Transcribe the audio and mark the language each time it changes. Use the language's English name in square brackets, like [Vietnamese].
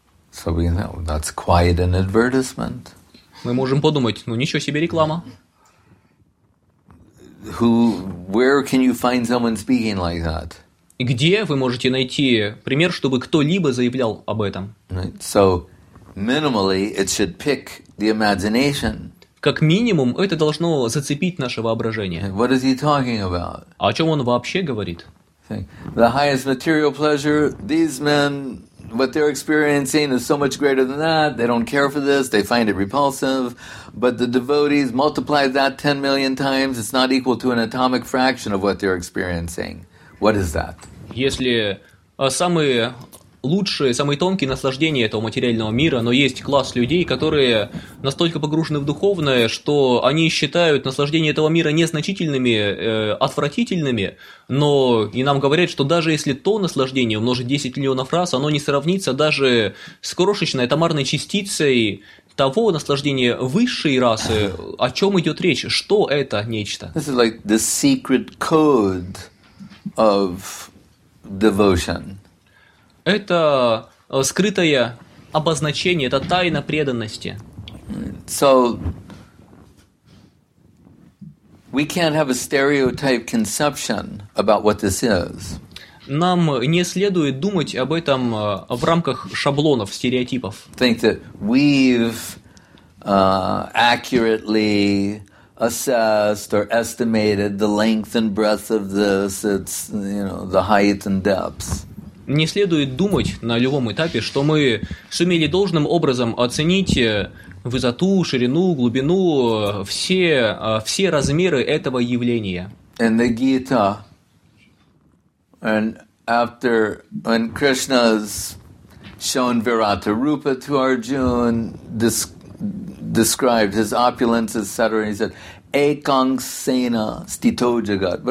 [English] So we know that's quite an advertisement. [Russian] Мы можем подумать, ну ничего себе реклама. [English] Who, where can you find someone speaking like that? [Russian] Где вы можете найти пример, чтобы кто-либо заявлял об этом? [English] So, minimally, it should pick the imagination. [Russian] Как минимум, это должно зацепить наше воображение. [English] What is he talking about? [Russian] О чем он вообще говорит? [English] The highest material pleasure, these men, what they're experiencing is so much greater than that. They don't care for this, they find it repulsive. But the devotees multiply that 10 million times, it's not equal to an atomic fraction of what they're experiencing. What is that? [Russian] Если самые лучшие, самые тонкие наслаждения этого материального мира, но есть класс людей, которые настолько погружены в духовное, что они считают наслаждения этого мира незначительными, отвратительными, но и нам говорят, что даже если то наслаждение умножить 10 миллионов раз, оно не сравнится даже с крошечной атомарной частицей того наслаждения высшей расы, о чем идет речь, что это нечто? [English] This is like the secret code of devotion. [Russian] Это скрытое обозначение, это тайна преданности. [English] So we can't have a stereotype conception about what this is. [Russian] Нам не следует думать об этом в рамках шаблонов, стереотипов. [English] Think that we've accurately assessed or estimated the length and breadth of this, it's, you know, the height and depth. [Russian] Не следует думать на любом этапе, что мы сумели должным образом оценить высоту, ширину, глубину, все размеры этого явления. [English] In the Gita, and after, when Krishna's shown Virata Rupa to Arjuna, described his opulence, etc., he said, [Sanskrit] Ekang Sena Stito Jagat.